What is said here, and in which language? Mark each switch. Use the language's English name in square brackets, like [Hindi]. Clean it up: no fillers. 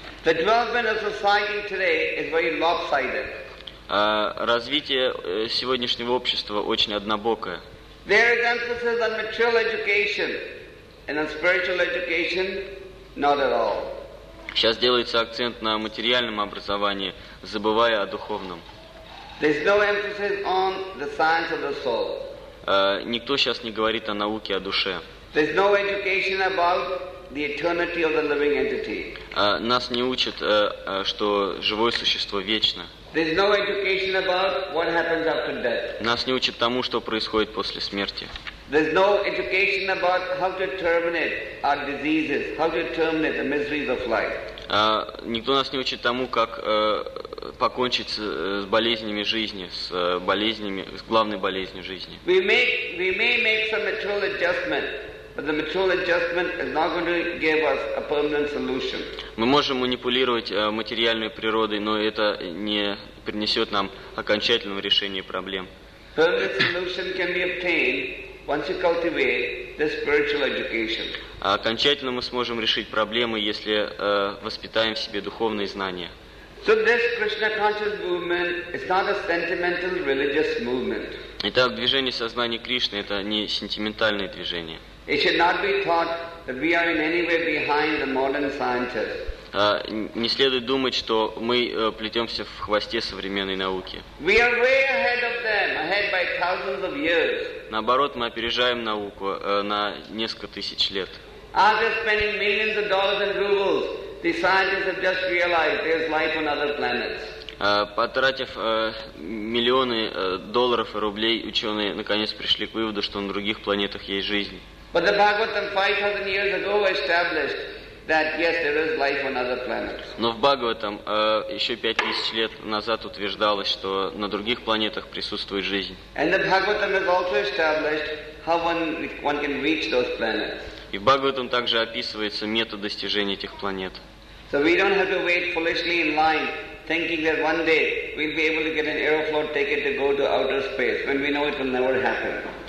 [English] The development of society today is very lopsided. [Russian] Развитие сегодняшнего общества очень однобокое. [English] There is emphasis on material education, and on spiritual education, not at all. [Russian] Сейчас делается акцент на материальном образовании, забывая о духовном. [English] There's no emphasis on the science of the soul. [Russian] Никто сейчас не говорит о науке, о душе. [English] There's no education about the eternity of the living entity. [Russian] Нас не учат, что живое существо вечно. [English] There's no education about what happens after death. [Russian] Нас не учат тому, что происходит после смерти. [English] There's no education about how to terminate our diseases, how to terminate the miseries of life. [Russian] Никто нас не учит тому, как покончить с болезнями жизни, с болезнями, с главной болезнью жизни. [English] We may make some material adjustment, but the material adjustment is not going to give us a permanent solution. [Russian] Мы можем манипулировать материальной природой, но это не принесет нам окончательного решения проблем. [English] Permanent solution can be obtained once you cultivate the spiritual education. [Russian] Окончательно мы сможем решить проблемы, если воспитаем в себе духовные знания. [English] So this Krishna conscious movement is not a sentimental religious movement. [Russian] Итак, движение сознания Кришны это не сентиментальное движение. [English] It should not be thought that we are in any way behind the modern scientists. [Russian] Не следует думать, что мы плетемся в хвосте современной науки. [English] We are way ahead of them, ahead by thousands of years. [Russian] Наоборот, мы опережаем науку на несколько тысяч лет. [English] After spending millions of dollars and rubles, the scientists have just realized there's life on other planets. [Russian] Потратив миллионы долларов и рублей, ученые наконец пришли к выводу, что на других планетах есть жизнь. [English] But the Bhagavatam 5,000 years ago established that yes, there is life on other planets. [Russian] Но в Бхагаватам еще 5000 лет назад утверждалось, что на других планетах присутствует жизнь. [English] And the Bhagavatam has also established how one can reach those planets. [Russian] И в Бхагаватам также описывается метод достижения этих планет. [English] So we don't have to wait foolishly in line, thinking that one day we'll be able to get an Aeroflot ticket to go to outer space, when we know it will never happen.